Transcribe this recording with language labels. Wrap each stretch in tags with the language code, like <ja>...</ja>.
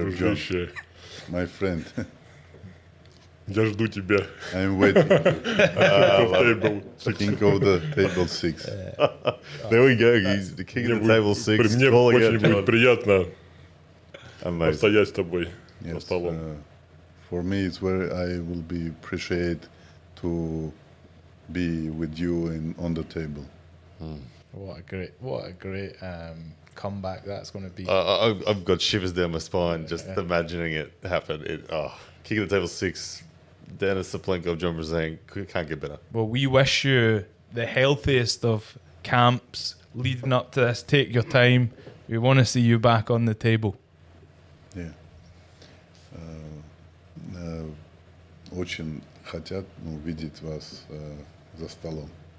<ru>дружище.</ru> <en>John, my friend.</en> <ru>Я жду тебя.</ru> <en>I'm waiting. King of the table six. There we go. He's the king of the table six.</en> <ru>Мне очень будет приятно.</ru> <en>Amazing.</en> <ru>Постоять с тобой.</ru> <en>Yes. For me, it's where I will be appreciated to be with you on the table. What a great comeback that's going to be. I've got shivers down my spine just imagining it happen. King of the table six. Denis Cyplenkov, John Brzezink, can't get better. Well, we wish you the healthiest of camps leading up to this. Take your time. We want to see you back on the table. Yeah.</en> <ru>Очень хотят видеть вас за столом.</ru>